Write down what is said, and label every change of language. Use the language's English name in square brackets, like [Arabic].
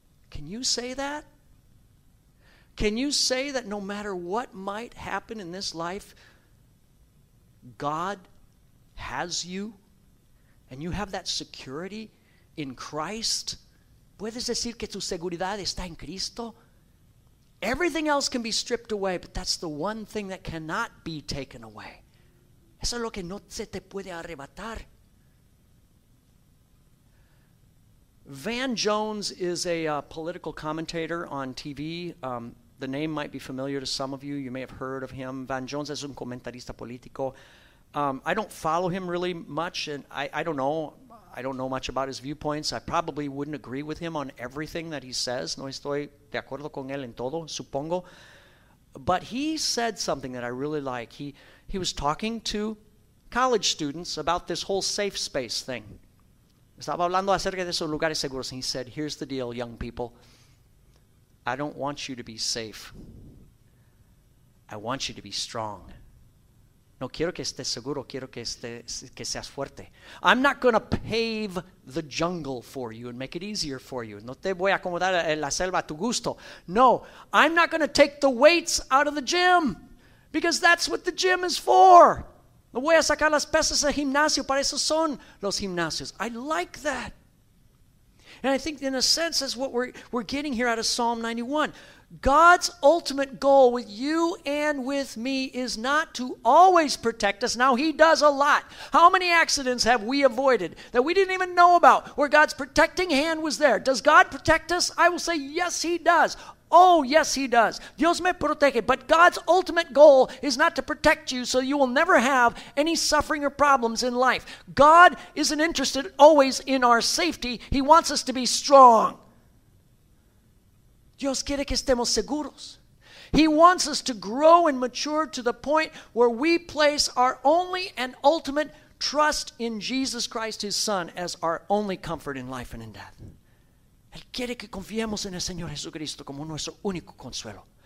[English] Can you say that? Can you say that no matter what might happen in this life, God has you and you have that security in Christ? [Spanish] ¿Puedes decir que tu seguridad está en Cristo? [English] Everything else can be stripped away, but that's the one thing that cannot be taken away. [Spanish] Eso es lo que no se te puede arrebatar. [English] Van Jones is a political commentator on TV. The name might be familiar to some of you. You may have heard of him. [Spanish] Van Jones es un comentarista político. [English] I don't follow him really much, and I don't know. I don't know much about his viewpoints. I probably wouldn't agree with him on everything that he says. [Spanish] No estoy de acuerdo con él en todo, supongo. [English] But he said something that I really like. He was talking to college students about this whole safe space thing. [Spanish] Estaba hablando acerca de esos lugares seguros. [English] And he said, here's the deal, young people. I don't want you to be safe. I want you to be strong. [Spanish] No quiero que estés seguro, quiero que estés, que seas fuerte. [English] I'm not going to pave the jungle for you and make it easier for you. [Spanish] No te voy a acomodar en la selva a tu gusto. [English] No, I'm not going to take the weights out of the gym because that's what the gym is for. [Spanish] No voy a sacar las pesas del gimnasio, para eso son los gimnasios. [English] I like that. And I think in a sense that's what we're getting here out of Psalm 91. God's ultimate goal with you and with me is not to always protect us. Now, he does a lot. How many accidents have we avoided that we didn't even know about where God's protecting hand was there? Does God protect us? I will say, yes, he does. Oh, yes, he does. [Spanish] Dios me protege. [English] But God's ultimate goal is not to protect you so you will never have any suffering or problems in life. God isn't interested always in our safety. He wants us to be strong. [Spanish] Dios quiere que estemos seguros. [English] He wants us to grow and mature to the point where we place our only and ultimate trust in Jesus Christ, his Son, as our only comfort in life and in death. [Spanish] Él quiere que confiemos en el Señor Jesucristo como nuestro único consuelo.